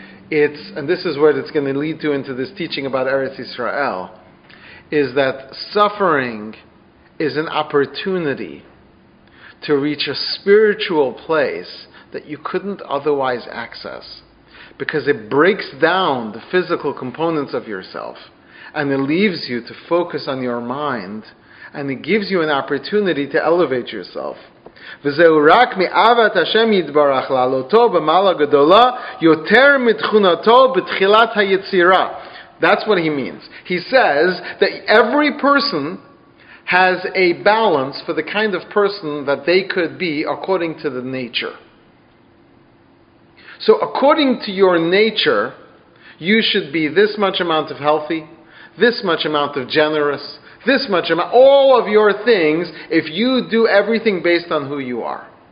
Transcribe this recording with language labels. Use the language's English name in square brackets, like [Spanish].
[English] It's, and this is what it's going to lead to into this teaching about Eretz Yisrael, is that suffering is an opportunity to reach a spiritual place that you couldn't otherwise access, because it breaks down the physical components of yourself and it leaves you to focus on your mind, and it gives you an opportunity to elevate yourself. [Hebrew] וזהו רק מאהבת השם יתברך לעלותו במעלה גדולה יותר מתכונתו בתחילת היצירה. [English] That's what he means. He says that every person has a balance for the kind of person that they could be according to the nature. So according to your nature, you should be this much amount of healthy, this much amount of generous, this much amount, all of your things, if you do everything based on who you are.